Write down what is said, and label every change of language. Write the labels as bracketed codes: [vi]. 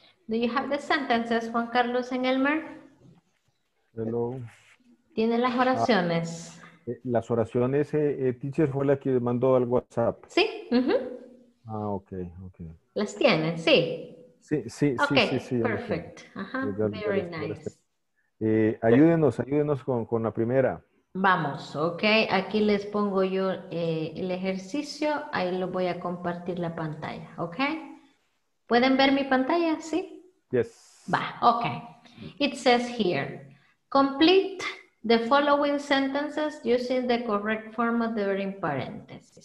[en] Do you have the sentences, Juan Carlos and Elmer? Hello. [es] ¿Tiene las oraciones? Las oraciones, teacher, fue la que mandó al WhatsApp. Sí. Ok. ¿Las tienen? Sí. Sí. [en] Perfect. Very nice. [es] Ayúdenos con la primera. Vamos, ok. Aquí les pongo yo el ejercicio. Ahí lo voy a compartir la pantalla, ok. ¿Pueden ver mi pantalla? ¿Sí? [en] Yes. [es] Va, ok. [en] It says here, complete the following sentences using the correct form of the verb in parentheses.